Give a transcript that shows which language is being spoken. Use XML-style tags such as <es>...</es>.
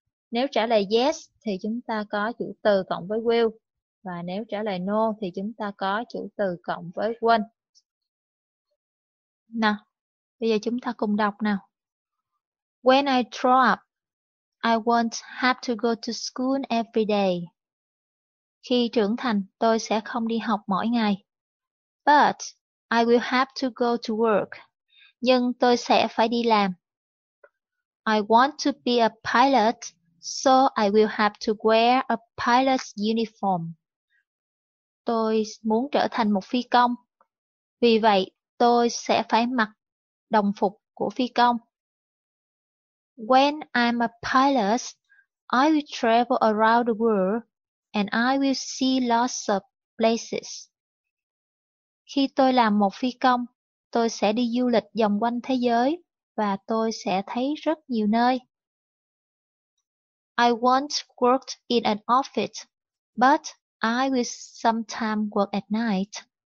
<vi>Nếu trả lời yes thì chúng ta có chủ từ cộng với will, và nếu trả lời no thì chúng ta có chủ từ cộng với won't. Nào, bây giờ chúng ta cùng đọc nào.</vi> <en>When I grow up, I won't have to go to school every day.</en> <vi>Khi trưởng thành, tôi sẽ không đi học mỗi ngày.</vi> <en>But I will have to go to work.</en> <vi>Nhưng tôi sẽ phải đi làm.</vi> <en>I want to be a pilot, so I will have to wear a pilot's uniform.</en> <vi>Tôi muốn trở thành một phi công. Vì vậy, tôi sẽ phải mặc đồng phục của phi công.</vi> <en>When I'm a pilot, I will travel around the world and I will see lots of places.</en> <vi>Khi tôi làm một phi công, tôi sẽ đi du lịch vòng quanh thế giới và tôi sẽ thấy rất nhiều nơi.</vi> <en>I once worked in an office, but I will sometimes work at night.</en>